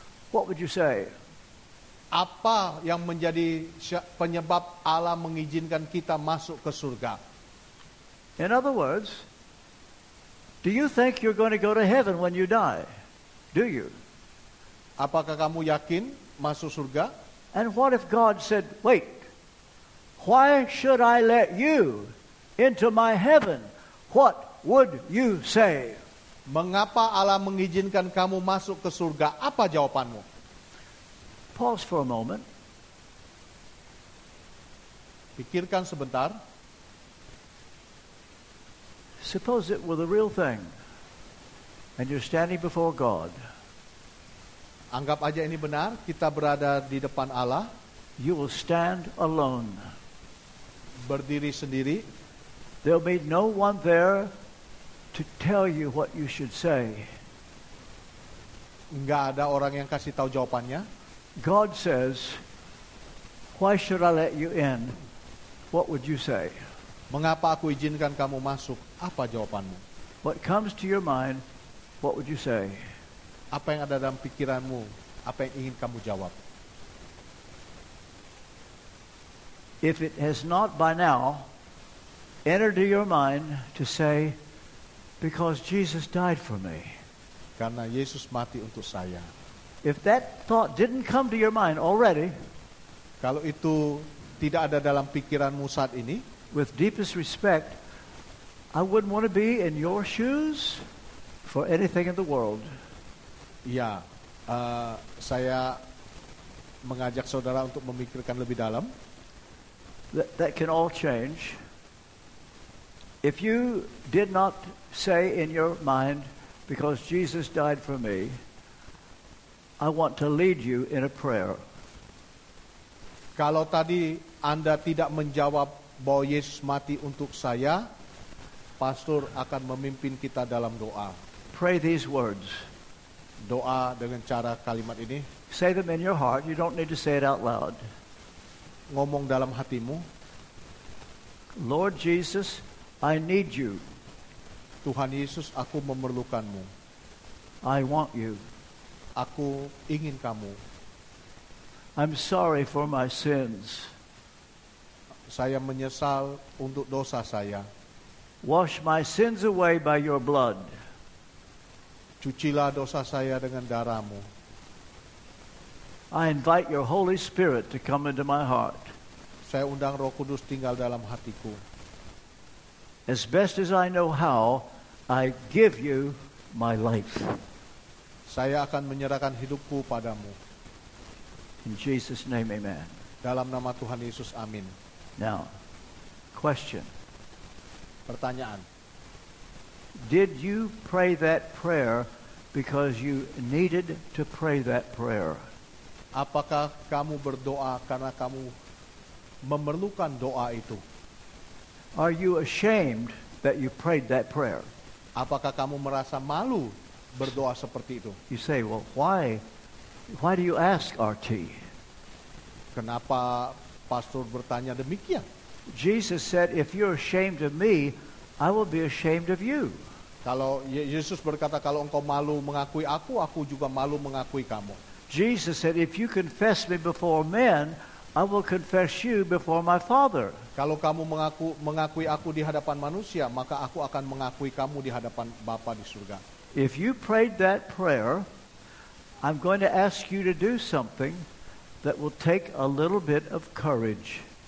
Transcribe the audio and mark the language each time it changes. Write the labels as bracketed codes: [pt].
[en] What would you say? [id] Apa yang menjadi penyebab Allah mengizinkan kita masuk ke surga? [en] In other words, do you think you're going to go to heaven when you die? Do you? [id] Apakah kamu yakin masuk surga? [en] And what if God said, wait, why should I let you into my heaven? What would you say? [id] Mengapa Allah mengizinkan kamu masuk ke surga? Apa jawabanmu? [en] Pause for a moment. [id] Pikirkan sebentar. [en] Suppose it were the real thing, and you're standing before God. [id] Anggap aja ini benar, kita berada di depan Allah. [en] You will stand alone. [id] Berdiri sendiri. [en] There'll be no one there to tell you what you should say. [id] Enggak ada orang yang kasih tahu jawabannya. [en] God says, why should I let you in? What would you say? [id] Mengapa aku izinkan kamu masuk? Apa jawabanmu? [en] What comes to your mind, what would you say? [id] Apa yang ada dalam pikiranmu? Apa yang ingin kamu jawab? [en] If it has not by now entered your mind to say, because Jesus died for me. [id] Karena Yesus mati untuk saya. [en] If that thought didn't come to your mind already, [id] kalau itu tidak ada dalam pikiranmu saat ini, [en] with deepest respect, I wouldn't want to be in your shoes for anything in the world. [id] Ya, saya mengajak saudara untuk memikirkan lebih dalam. [en] That can all change. If you did not say in your mind, because Jesus died for me, I want to lead you in a prayer. [id] Kalau tadi Anda tidak menjawab bahwa Yesus mati untuk saya, pastor akan memimpin kita dalam doa. [en] Pray these words. [id] Doa dengan cara kalimat ini. [en] Say them in your heart. You don't need to say it out loud. [id] Ngomong dalam hatimu. [en] Lord Jesus, I need you. [id] Tuhan Yesus, aku memerlukanmu. [en] I want you. [id] Aku ingin kamu. [en] I'm sorry for my sins. [id] Saya menyesal untuk dosa saya. [en] Wash my sins away by your blood. [id] Cucilah dosa saya dengan darah-Mu. [en] I invite your Holy Spirit to come into my heart. [id] Saya undang Roh Kudus tinggal dalam hatiku. [en] As best as I know how, I give you my life. [id] Saya akan menyerahkan hidupku padamu. [en] In Jesus' name, amen. [id] Dalam nama Tuhan Yesus, amin. [en] Now, question. [id] Pertanyaan. [en] Did you pray that prayer because you needed to pray that prayer? [id] Apakah kamu berdoa karena kamu memerlukan doa itu? [en] Are you ashamed that you prayed that prayer? [id] Apakah kamu merasa malu berdoa seperti itu? [en] You say, well, why do you ask, RT? [id] Kenapa pastor bertanya demikian? [en] Jesus said, if you're ashamed of me, I will be ashamed of you. [id] Kalau Yesus berkata, kalau engkau malu mengakui aku, aku juga malu mengakui kamu. [en] Jesus said, if you confess me before men, I will confess you before my Father. [id] Kalau kamu mengakui aku di hadapan manusia, maka aku akan mengakui kamu di hadapan Bapa di surga. [en] If you prayed that prayer, I'm going to ask you to do something that will take a little bit of courage.